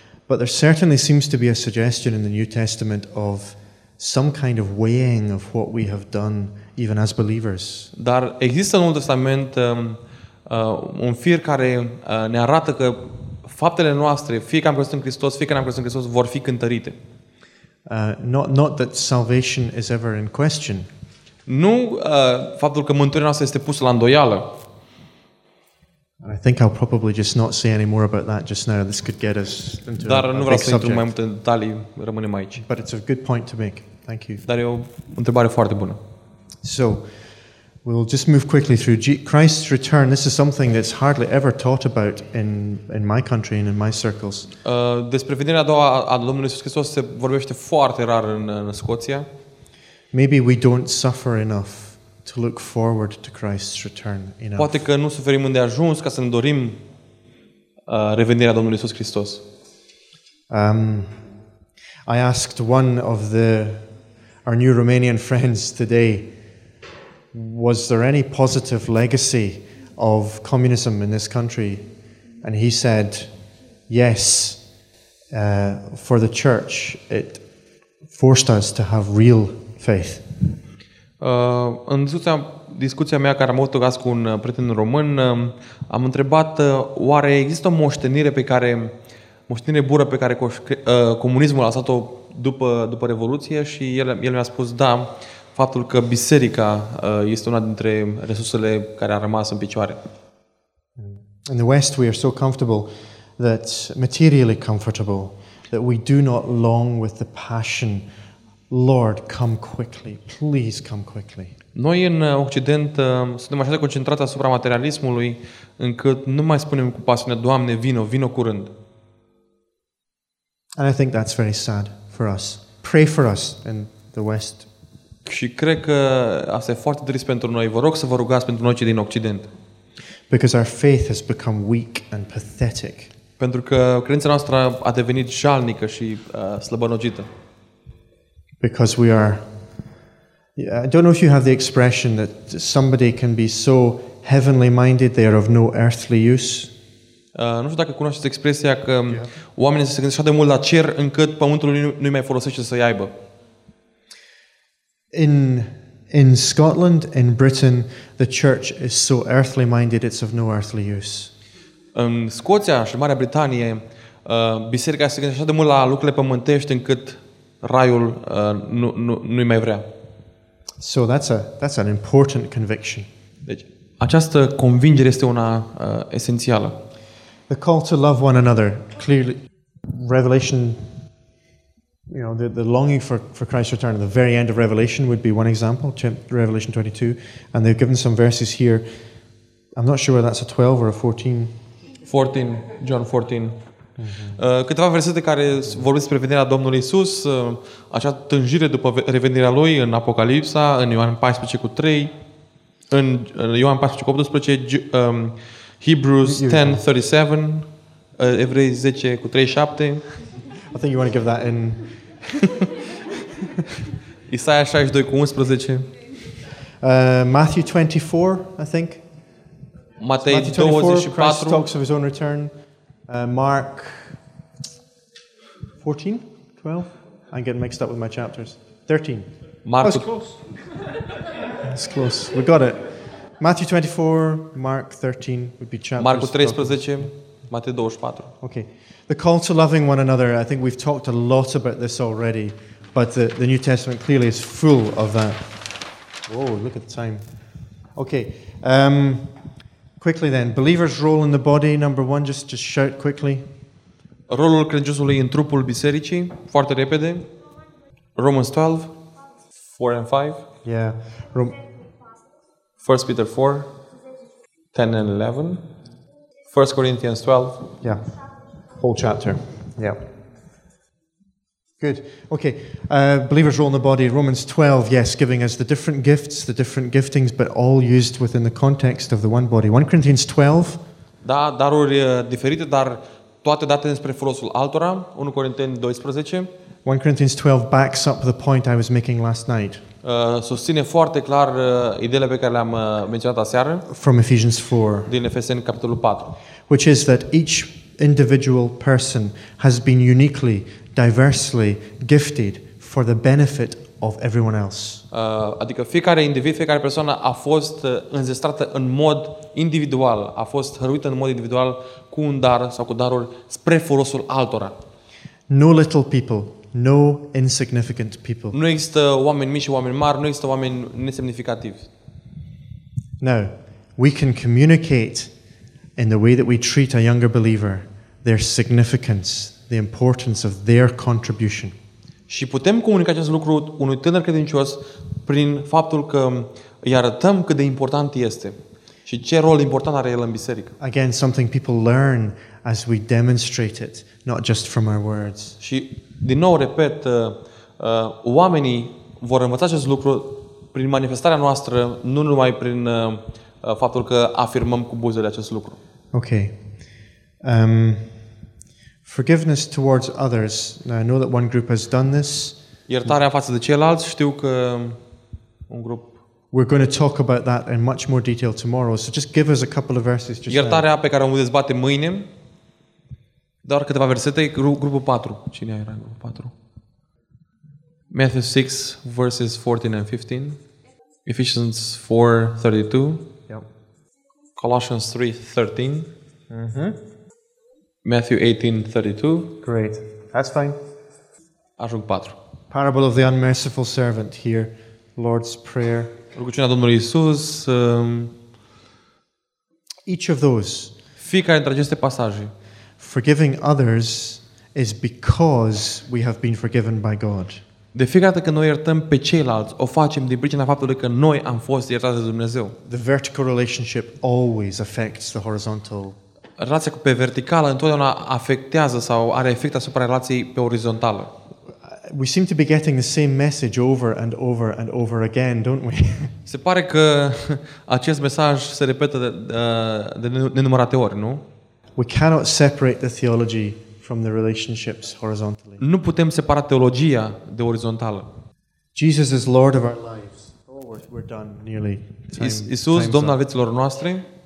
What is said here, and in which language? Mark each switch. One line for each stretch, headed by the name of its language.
English: But there certainly seems to be a suggestion in the New Testament of some kind of weighing of what we have done even as believers.
Romanian: Dar există în Noul Testament un fir care ne arată că faptele noastre, fie că am crezut în Hristos, fie că n-am crezut în Hristos, vor fi cântărite.
English: Not that salvation is ever in question.
Romanian: Nu faptul că mântuirea noastră este pusă la îndoială.
English: And I think I'll probably just not say any more about that just now. This could get us into
Romanian: dar nu vreau
English: a big subject.
Romanian: Să intru mai mult în detalii, rămânem aici.
English: But it's a good point to make. Thank you.
Romanian: Dar e o întrebare foarte bună.
English: So, we'll just move quickly through Christ's return. This is something that's hardly ever taught about in my country and in my circles.
Romanian: Despre venirea a doua a Domnului Iisus Hristos se vorbește foarte rar în Scoția.
English: Maybe we don't suffer enough to look forward to Christ's return enough.
Romanian: Poate că nu suferim îndeajuns ca să ne dorim revenirea Domnului Iisus Hristos.
English: I asked one of our new Romanian friends today, was there any positive legacy of communism in this country? And he said, yes, for the church, it forced us to have real faith.
Romanian: În discuția mea care am avut-o cu un prieten român, am întrebat oare există o moștenire bună pe care comunismul a lăsat-o după Revoluție, și el mi-a spus da, faptul că biserica este una dintre resursele care a rămas în picioare.
English: In the West we are so comfortable that materially comfortable that we do not long with the passion, Lord, come quickly. Please come quickly.
Romanian: Noi în Occident suntem așa de concentrați asupra materialismului încât nu mai spunem cu pasiune, Doamne, vino curând.
English: And I think that's very sad for us. Pray for us in the West.
Romanian: Și cred că asta e foarte trist pentru noi. Vă rog să vă rugați pentru noi cei din Occident.
English: Because our faith has become weak and pathetic.
Romanian: Pentru că credința noastră a devenit jalnică și slăbănogită.
English: Because we are, I don't know if you have the expression that somebody can be so heavenly minded they are of no earthly use.
Romanian: Nu știu dacă cunoașteți expresia că oamenii se gândesc așa de mult la cer încât pământul nu-i mai folosește să-i aibă.
English: In Scotland, in Britain, the church is so earthly minded it's of no earthly use.
Romanian: În Scoția și Marea Britanie, biserica se gândește așa de mult la lucrurile pământești încât Raiul nu-i mai vrea.
English: So that's an important conviction.
Romanian: Deci, această convingere este una esențială.
English: The call to love one another, clearly Revelation, you know, the longing for Christ's return at the very end of Revelation would be one example, Revelation 22, and they've given some verses here. I'm not sure whether that's a 12 or a 14. 14, John 14.
Romanian: Câteva versete care vorbesc despre venirea Domnului Iisus, acea tânjire după revenirea Lui în Apocalipsa, în Ioan 14:3, în Ioan 14:18, Hebrews 10:37, Evrei 10:37.
English: I think you want to give that in
Romanian: Isaia 62:11.
English: Matthew 24, I think.
Romanian: Matei 24,
English: Christ talks of his own return. Mark 14, 12. I'm getting mixed up with my chapters. 13. Mark. That's close. That's close. We got it. Matthew 24, Mark 13 would be chapters.
Romanian: Marcu 13, Matei 24.
English: Okay. The call to loving one another. I think we've talked a lot about this already, but the New Testament clearly is full of that. Oh, look at the time. Okay. Quickly then, believers' role in the body, number one, just shout quickly.
Romanian: Rolul credinciosului în trupul bisericii, foarte repede.
English: Romans 12, 4 and 5. Yeah. 1 Peter 4, 10 and 11. 1 Corinthians 12. Yeah. Whole chapter. Yeah. Good. Okay. Believers' role in the body, Romans 12, yes, giving us the different gifts, the different giftings, but all used within the context of the one body. 1 Corinthians 12.
Romanian: Da, daruri diferite, dar toate date despre folosul altora. 1 Corinteni 12.
English: 1 Corinthians 12 backs up the point I was making last night.
Romanian: Susține foarte clar ideile pe care le-am menționat aseară.
English: From Ephesians 4.
Romanian: Din Efeseni capitolul 4.
English: Which is that each individual person has been uniquely, diversely gifted for the benefit of everyone else.
Romanian: Adică fiecare individ, fiecare persoană a fost înzestrată în mod individual, a fost hăruită în mod individual cu un dar sau cu daruri spre folosul altora.
English: No little people, no insignificant people.
Romanian: Nu există oameni mici și oameni mari, nu există oameni nesemnificativi.
English: Now, we can communicate in the way that we treat a younger believer their significance, the importance of their contribution.
Romanian: Și putem comunica acest lucru unui tânăr credincios prin faptul că îi arătăm cât de important este și ce rol important are el în biserică.
English: Again, something people learn as we demonstrate it, not just from our words.
Romanian: Și din nou repet, oamenii vor învăța acest lucru prin manifestarea noastră, nu numai prin faptul că afirmăm cu buzele acest lucru.
English: Okay. Forgiveness towards others. Now, I know that one group has done this.
Romanian: Iertarea față de ceilalți, știu că un grup.
English: We're going to talk about that in much more detail tomorrow. So just give us a couple of verses.
Romanian: Iertarea pe care o vom dezbate mâine. Doar câteva versete, grupul 4. Cine era în grupul 4?
English: Matthew 6, verses 14 and 15. Ephesians 4, 32. Colossians 3, 13. Mm-hmm. Matthew 18, 32. Great. That's fine.
Romanian: Ajung 4.
English: Parable of the unmerciful servant here. Lord's Prayer.
Romanian: Rugăciunea Domnului Iisus.
English: Each of those.
Romanian: Fiecare dintre aceste pasaje.
English: Forgiving others is because we have been forgiven by God.
Romanian: De fiecare dată când noi iertăm pe ceilalți, o facem din pricina faptului că noi am fost iertați de Dumnezeu.
English: The vertical relationship always affects the horizontal.
Romanian: Relația pe verticală întotdeauna afectează sau are efect asupra relației pe orizontală.
English: We seem to be getting the same message over and over and over again, don't we?
Romanian: Se pare că acest mesaj se repetă de nenumărate ori, nu?
English: We cannot separate the theology from the relationships horizontally.
Romanian: Nu putem separa teologia de orizontală.
English: Jesus is Lord of our lives. Oh, we're done nearly.
Romanian: Iisus, Domnul al vieților noastre.